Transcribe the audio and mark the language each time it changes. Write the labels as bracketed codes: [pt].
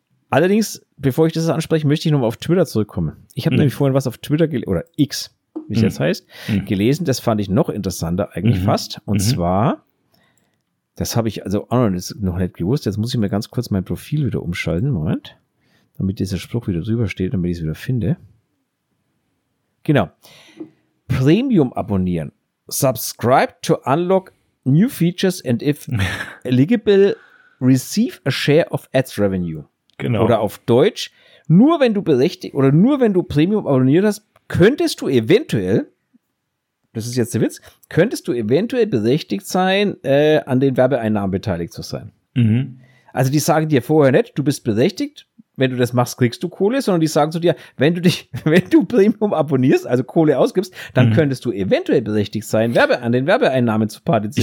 [de] Allerdings, bevor ich das anspreche, möchte ich nochmal auf Twitter zurückkommen. Ich habe nämlich vorhin was auf Twitter oder X, wie es jetzt heißt, gelesen. Das fand ich noch interessanter eigentlich fast. Und zwar, das habe ich also noch nicht gewusst. Jetzt muss ich mir ganz kurz mein Profil wieder umschalten. Moment. Damit dieser Spruch wieder drüber steht, damit ich es wieder finde. Genau. Premium abonnieren. [en] Subscribe to unlock new features and if eligible, receive a share of ads revenue. [de] Genau. Oder auf Deutsch. Nur wenn du berechtigt oder nur wenn du Premium abonniert hast, könntest du eventuell. Das ist jetzt der Witz. Könntest du eventuell berechtigt sein, an den Werbeeinnahmen beteiligt zu sein? Also die sagen dir vorher nicht, du bist berechtigt, wenn du das machst, kriegst du Kohle, sondern die sagen zu dir, wenn du Premium abonnierst, also Kohle ausgibst, dann könntest du eventuell berechtigt sein, an den Werbeeinnahmen zu partizipieren.